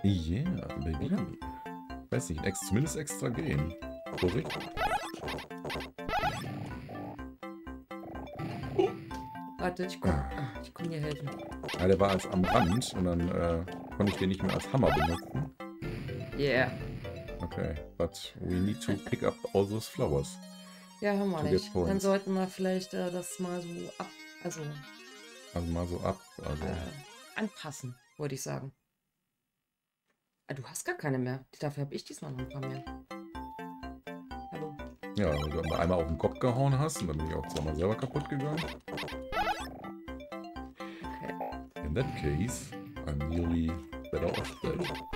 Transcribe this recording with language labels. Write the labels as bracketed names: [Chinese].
[English] Yeah, baby. [German] Oder? Weiß nicht, zumindest extra gehen. Korrekt. Warte, ich komme dir helfen. Ja, der war jetzt am Rand und dann Konnte ich den nicht mehr als Hammer benutzen? [English] Yeah. Okay, but we need to pick up all those flowers. [German] Ja, hör mal nicht. Dann sollten wir vielleicht das mal so ab. Anpassen, wollte ich sagen. Du hast gar keine mehr. Dafür habe ich diesmal noch ein paar mehr. Hallo? Ja, weil du einmal auf den Kopf gehauen hast und dann bin ich auch zweimal selber kaputt gegangen. Okay. [English] In that case, I'm nearly better off dead.